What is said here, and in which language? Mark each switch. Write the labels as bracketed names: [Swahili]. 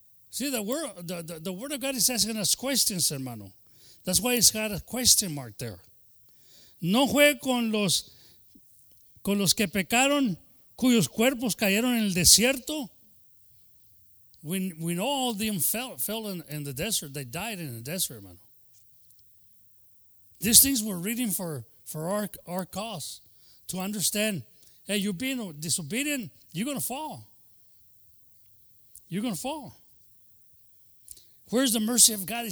[English] See, the word of God is asking us questions, hermano. That's why it's got a question mark there. [Spanish] ¿No fue con los que pecaron, cuyos cuerpos cayeron en el desierto? [English] We know all of them fell in the desert. They died in the desert, hermano. These things we're reading for our cause, to understand, hey, you're being disobedient, you're going to fall. You're going to fall. Where's the mercy of God?